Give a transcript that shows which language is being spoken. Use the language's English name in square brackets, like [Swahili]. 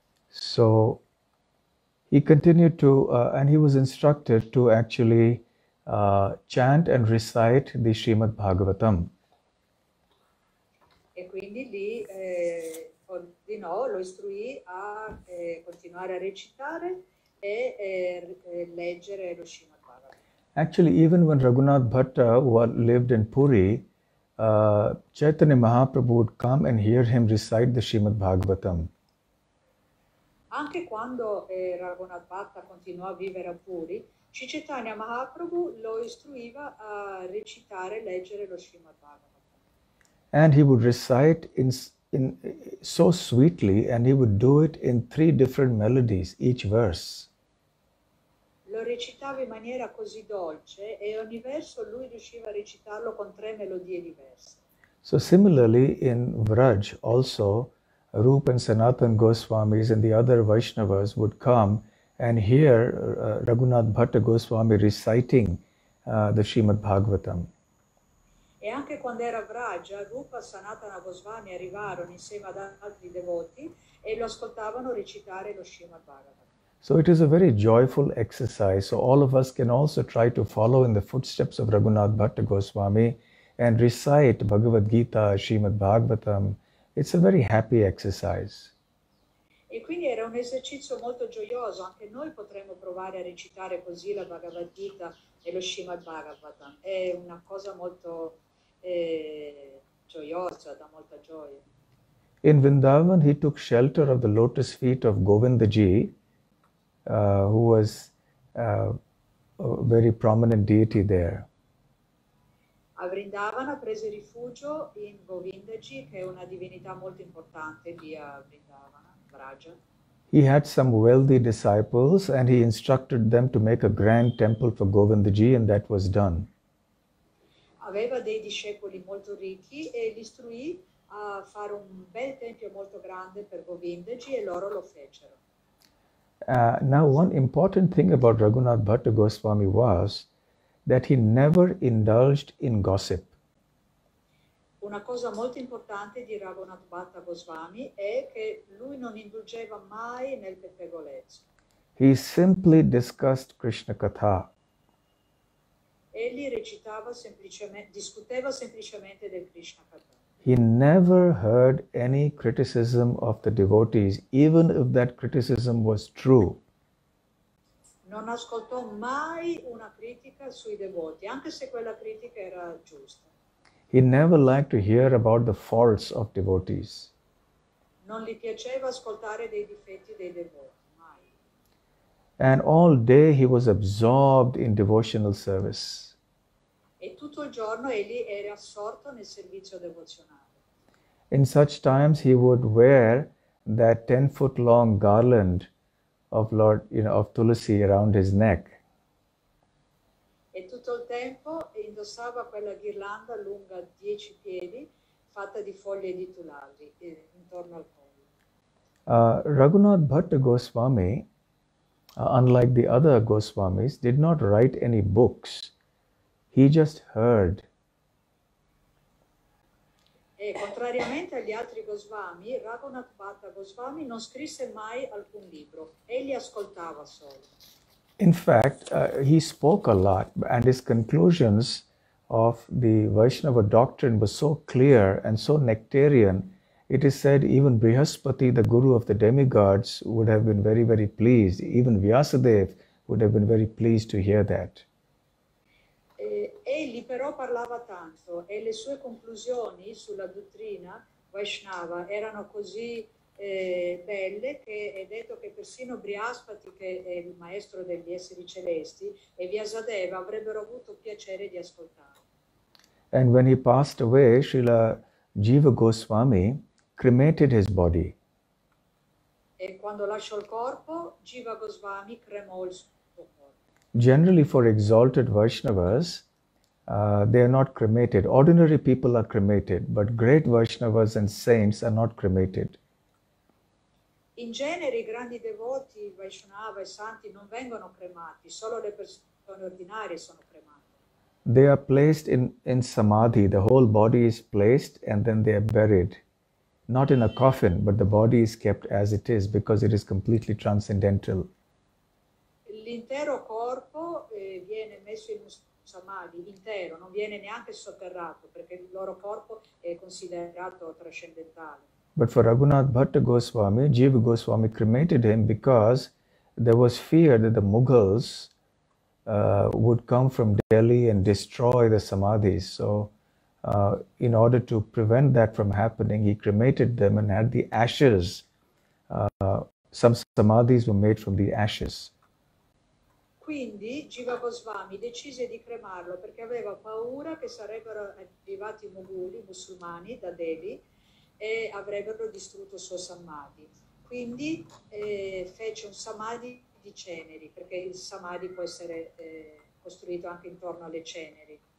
[English] So he continued to, and he was instructed to actually chant and recite the Srimad Bhagavatam. [Italian] E quindi lì ordinò, lo istruì a continuare a recitare e leggere lo Srimad Bhagavatam. [English] Actually, even when Raghunath Bhat lived in Puri, Chaitanya Mahaprabhu would come and hear him recite the Srimad Bhagavatam. [Italian] Anche quando Raghunath Bhat continuò a vivere a Puri, Sri Chaitanya Mahaprabhu lo istruiva a recitare, leggere lo Srimad Bhagavatam. [English] And he would recite in so sweetly, and he would do it in 3 different melodies, each verse. [Italian] Lo recitava in maniera così dolce, e ogni verso lui riusciva a recitarlo con 3 melodie diverse. [English] So similarly, in Vraj also, Rupa and Sanatan Goswamis and the other Vaishnavas would come and hear Raghunath Bhat Goswami reciting the Srimad Bhagavatam. [Italian] E anche quando era Vraja, Rupa Sanatana Goswami arrivarono insieme ad altri devoti e lo ascoltavano recitare lo Srimad Bhagavatam. [English] So it is a very joyful exercise. So all of us can also try to follow in the footsteps of Raghunath Bhat Goswami and recite Bhagavad Gita, Srimad Bhagavatam. It's a very happy exercise. [Italian] E quindi era un esercizio molto gioioso, anche noi potremmo provare a recitare così la Bhagavad Gita e lo Srimad Bhagavatam. È una cosa molto gioiosa, dà molta gioia. [English] In Vrindavan he took shelter of the lotus feet of Govindaji, who was a very prominent deity there. [Italian] A Vrindavan ha preso rifugio in Govindaji, che è una divinità molto importante lì a Vrindavan. [English] He had some wealthy disciples and he instructed them to make a grand temple for Govindaji, and that was done. [Italian] Aveva dei discepoli molto ricchi e li istruì a fare un bel tempio molto grande per Govindaji e loro lo fecero. [English] Now, one important thing about Raghunath Bhat Goswami was that he never indulged in gossip. [Italian] Una cosa molto importante di Raghunath Bhat Goswami è che lui non indulgeva mai nel pettegolezzo. [English] He simply discussed Krishna Katha. [Italian] Egli recitava semplicemente, discuteva semplicemente del Krishna Katha. [English] He never heard any criticism of the devotees, even if that criticism was true. [Italian] Non ascoltò mai una critica sui devoti, anche se quella critica era giusta. [English] He never liked to hear about the faults of devotees. [Italian] Non gli piaceva ascoltare dei difetti dei devoti, mai. [English] And all day he was absorbed in devotional service. [Italian] E tutto il giorno egli era assorto nel servizio devozionale. [English] In such times he would wear that 10-foot-long garland of Lord, of Tulsi around his neck. [Italian] E tutto il tempo indossava quella ghirlanda lunga 10 piedi fatta di foglie di tulasi intorno al collo. [English] Raghunath Bhat Goswami, unlike the other Goswamis, did not write any books. He just heard. [Italian] E contrariamente agli altri Goswami, Raghunath Bhat Goswami non scrisse mai alcun libro. Egli ascoltava solo. [English] In fact, he spoke a lot, and his conclusions of the Vaishnava doctrine were so clear and so nectarian, it is said even Brihaspati, the guru of the demigods, would have been very, very pleased. Even Vyasadev would have been very pleased to hear that. [Italian] Egli però parlava tanto e le sue conclusioni sulla dottrina Vaishnava erano così belle che è detto che persino Brihaspati, che è il maestro degli esseri celesti, e Vyasadeva avrebbero avuto piacere di ascoltare. [English] And when he passed away, Srila Jiva Goswami cremated his body. [Italian] E quando lasciò il corpo, Jiva Goswami cremò il suo corpo. [English] Generally for exalted Vaishnavas, they are not cremated. Ordinary people are cremated, but great Vaishnavas and saints are not cremated. [Italian] In genere, i grandi devoti, Vaishnava e santi, non vengono cremati. Solo le persone ordinarie sono cremate. [English] They are placed in samadhi. The whole body is placed and then they are buried. Not in a coffin, but the body is kept as it is because it is completely transcendental. [Italian] L'intero corpo viene messo in samadhi, intero, non viene neanche sotterrato, perché il loro corpo è considerato trascendentale. [English] But for Raghunath Bhat Goswami, Jiva Goswami cremated him because there was fear that the Mughals would come from Delhi and destroy the samadhis. So in order to prevent that from happening, he cremated them and had the ashes. Some samadhis were made from the ashes. [Italian] Quindi Jiva Goswami decise di cremarlo perché aveva paura che sarebbero arrivati Mughali musulmani da Delhi e avrebbero distrutto il suo samadhi. Quindi fece un samadhi di ceneri, perché il samadhi può essere costruito anche intorno alle ceneri.